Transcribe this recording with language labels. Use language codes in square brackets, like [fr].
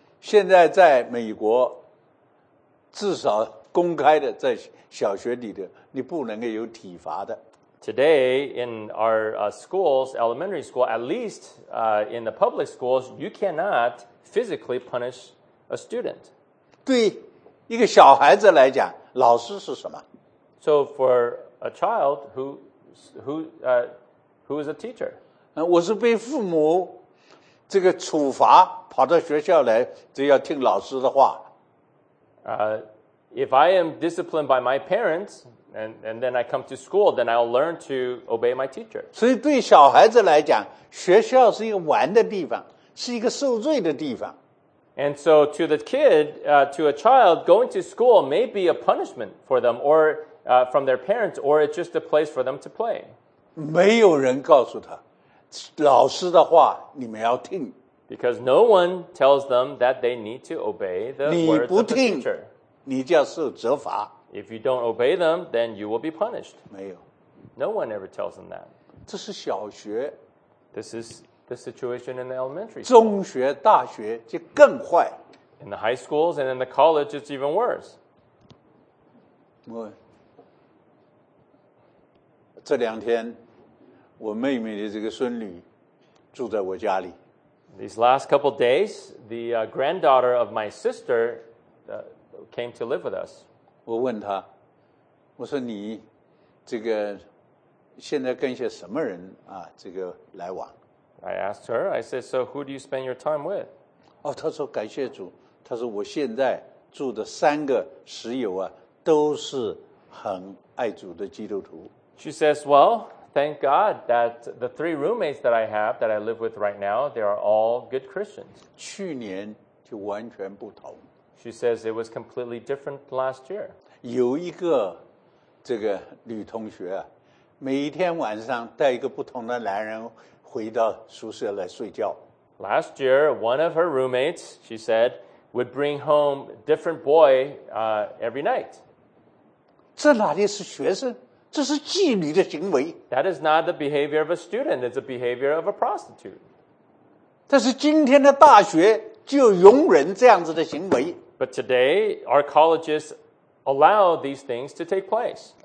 [zh] 现在在美国，至少公开的在小学里的，你不能够有体罚的。 [en] Today, in our schools, elementary school, at least in the public schools, you cannot physically punish a student. [zh] 对一个小孩子来讲，老师是什么？ [en] So for a child who is a teacher? [zh] 我是被父母这个处罚跑到学校来，就要听老师的话。 [en] If I am disciplined by my parents, and then I come to school, then I'll learn to obey my teacher. [zh] 所以对小孩子来讲，学校是一个玩的地方，是一个受罪的地方。 [en] And so to the kid, to a child, going to school may be a punishment for them or from their parents, or it's just a place for them to play. [zh] 没有人告诉他，老师的话你们要听。 [en] Because no one tells them that they need to obey the words of the teacher. [zh] 你不听，你就要受责罚。 [en] If you don't obey them, then you will be punished. [zh] 没有。 [en] No one ever tells them that. [zh] 这是小学。 [en] This is the situation in the elementary [zh] school. 中学、大学就更坏。 [en] In the high schools and in the college, it's even worse. [zh] 这两天，我妹妹的这个孙女住在我家里。 [en] These last couple days, the granddaughter of my sister came to live with us. [zh] 我问她，我说你这个现在跟些什么人啊？这个来往 [en] ？I asked her. I said, "So who do you spend your time with?" [zh] 哦，她说感谢主，她说我现在住的三个室友啊，都是很爱主的基督徒。 [en] She says, well, thank God that the three roommates that I have, that I live with right now, they are all good Christians. [zh] 去年就完全不同。 [en] She says it was completely different last year. [zh] 有一个这个女同学啊，每一天晚上带一个不同的男人回到宿舍来睡觉。 [en] Last year, one of her roommates, she said, would bring home a different boy every night. [zh] 这哪里是学生？这是妓女的行为。 [en] That is not the behavior of a student. It's the behavior of a prostitute. [zh] 但是今天的大学就容忍这样子的行为。 [en] But today, our colleges allow these things to take place.